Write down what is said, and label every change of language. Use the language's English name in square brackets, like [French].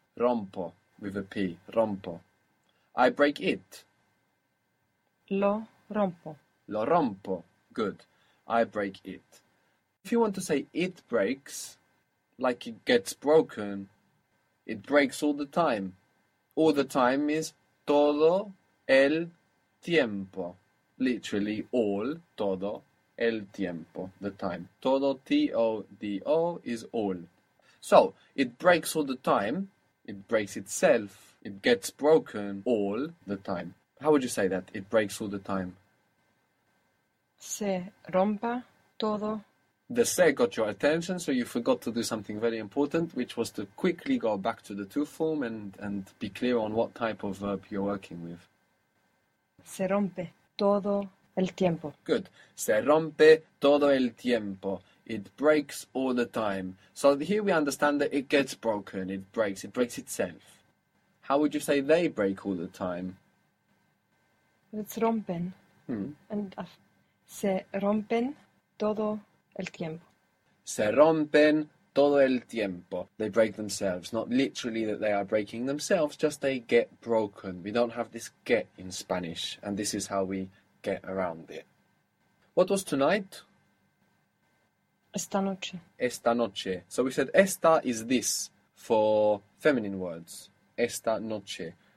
[English] Rompo with a P. Rompo. I break it. [Spanish] Lo rompo. Lo rompo. [English] Good. I break it. If you want to say it breaks, like it gets broken, it breaks all the time. All the time is [Spanish] todo el tiempo. [English] Literally all, [Spanish] todo el tiempo, [English] the time. Todo, T-O-D-O, is all. So, it breaks all the time. It breaks itself. It gets broken all the time. How would you say that? It breaks all the time. [Spanish] Se rompa todo. [English] The se got your attention, so you forgot to do something very important, which was to quickly go back to the to form and be clear on what type of verb you're working with. [Spanish] Se rompe todo el tiempo. [English] Good. [Spanish] Se rompe todo el tiempo. [English] It breaks all the time. So here we understand that it gets broken, it breaks, it breaks itself. How would you say they break all the time? [Spanish] It's rompen and Se rompen todo el tiempo. Se rompen todo el tiempo. [English] They break themselves. Not literally that they are breaking themselves, just they get broken. We don't have this get in Spanish, and this is how we get around it. What was tonight? [Spanish] Esta noche. Esta noche. [English] So we said esta is this for feminine words. [Spanish] Esta noche.